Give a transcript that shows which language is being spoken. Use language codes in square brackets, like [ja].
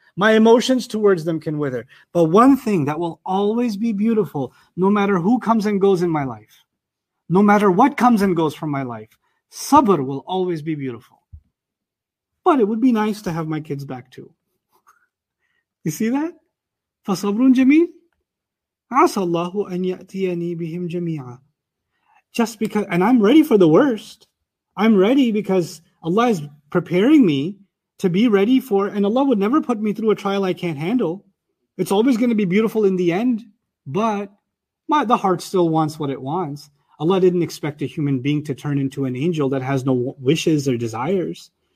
[en] My emotions towards them can wither. But one thing that will always be beautiful, no matter who comes and goes in my life, no matter what comes and goes from my life, sabr will always be beautiful. But it would be nice to have my kids back too. You see that? [ar] فَصَبْرٌ جَمِيلٌ عَسَى اللَّهُ أَنْ يَأْتِيَنِي بِهِمْ جَمِيعًا. [en] Just because, and I'm ready for the worst. I'm ready because Allah is preparing me to be ready for, and Allah would never put me through a trial I can't handle. It's always going to be beautiful in the end, but the heart still wants what it wants. Allah didn't expect a human being to turn into an angel that has no wishes or desires.